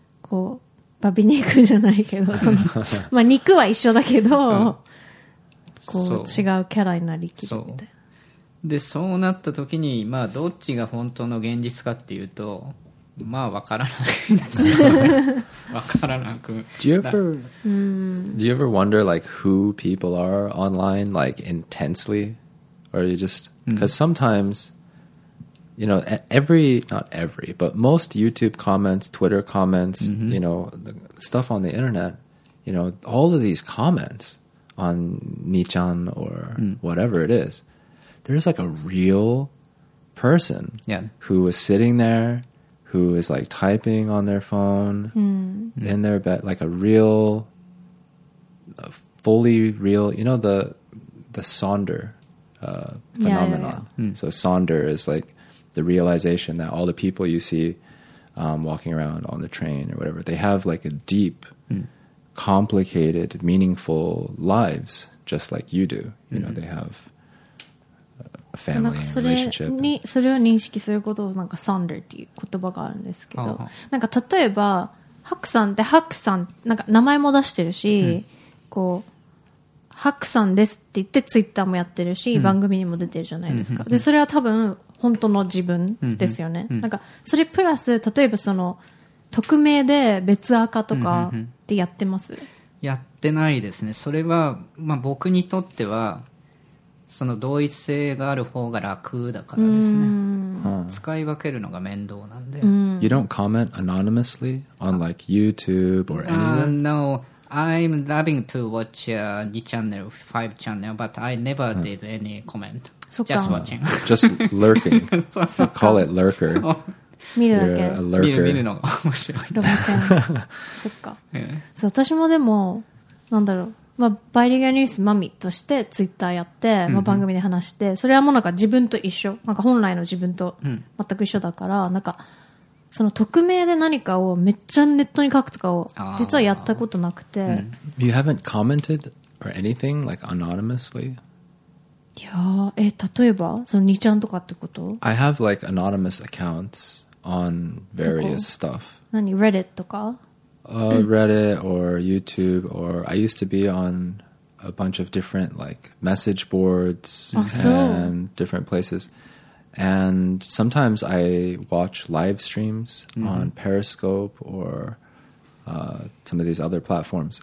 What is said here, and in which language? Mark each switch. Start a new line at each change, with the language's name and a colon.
Japanese: こうバビ肉じゃないけどそのまあ肉は一緒だけど、うん、こう違うキャラになりきるみたいな。でそうなった時に、まあ、どっちが本当の現実かっていうと、まあ分からないですよ、ね、分からなく。
English: Do you ever, do you ever wonder like who people are online like intensely? Or you just, because sometimes, you know, every, not every, but most YouTube comments, Twitter comments, you know, the stuff on the internet, you know, all of these comments on Nichan or whatever it is,there's like a real person who is sitting there who is like typing on their phone in their bed, like a real, a fully real, you know, the Sonder phenomenon. Yeah, yeah, yeah. So Sonder is like the realization that all the people you see walking around on the train or whatever, they have like a deep, complicated, meaningful lives just like you do. You know, they have...
Japanese: なんかそれにそれを認識することをなんかサンダーっていう言葉があるんですけど、なんか例えばハクさんってハクさんなんか名前も出してるし、こうハクさんですって言ってツイッターもやってるし番組にも出てるじゃないですか。でそれは多分本当の自分ですよね。なんかそれプラス例えばその匿名で別アカとかってやってます？やってないですね。それは、まあ、僕にとってはその同一性がある方が楽だからですね。使い分けるのが面倒なんで。
English: You don't comment anonymously on like YouTube or anywhere? No, I'm loving to watch your channel, 5 channel, but I never did any comment. Just watching. Just lurking. call it lurker.
Japanese: 見るだけ。見るのが面白い。ロボセン。そっか。そう、私もでも、なんだろう。まあ、バイリンガルニュースマミとしてツイッターやって、まあ、番組で話して、それはもうなんか自分と一緒、なんか本来の自分と全く一緒だから、なんかその匿名で何かをめっちゃネットに書くとかを実はやったことなくて、
English: You haven't commented or anything like anonymously?
Japanese: いや、例えばその2ちゃんとかってこと？
English: I have like anonymous accounts on various stuff.
Japanese: 何？Reddit とか？
English: Reddit or YouTube or I used to be on a bunch of different like message boards and different places. And sometimes I watch live streams on Periscope or some of these other platforms.